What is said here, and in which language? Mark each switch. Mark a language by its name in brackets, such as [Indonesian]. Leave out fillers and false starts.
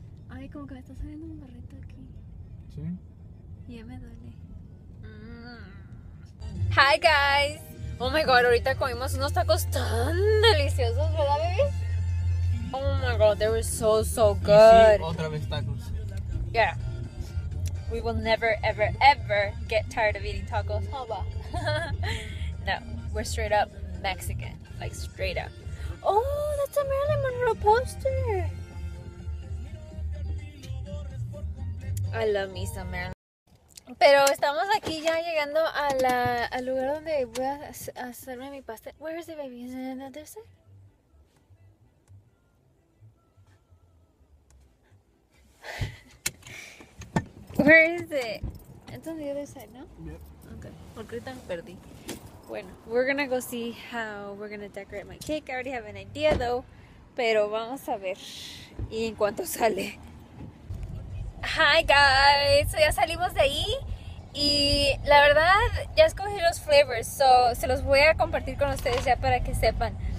[Spanish] Ay, como que me está saliendo un barrito aquí. Sí. Ya me duele. [English] Hi guys. Oh my god, [Spanish] ahorita comimos unos tacos tan deliciosos, ¿verdad, baby? [English] Oh my god, they were so, so good. [Spanish] Y sí, otra vez tacos. [English] Yeah. We will never, ever, ever get tired of eating tacos. Hola. No, we're straight up Mexican. Like, straight up. Oh, that's a Marilyn Monroe poster. I love me some Marilyn. [Spanish] Pero estamos aquí ya llegando a la, al lugar donde voy a hacerme mi pasta. [English] Where is the baby? Is it on the other side? Where is it? It's on the other side, no? Yep. [Spanish] Okay. Porque ahorita me perdí. [English] Bueno, we're gonna go see how we're gonna decorate my cake. I already have an idea though. [Spanish] Pero vamos a ver. Y en cuanto sale. [English] Hi guys, [Spanish] so ya salimos de ahí y la verdad ya escogí los flavors, so se los voy a compartir con ustedes ya para que sepan.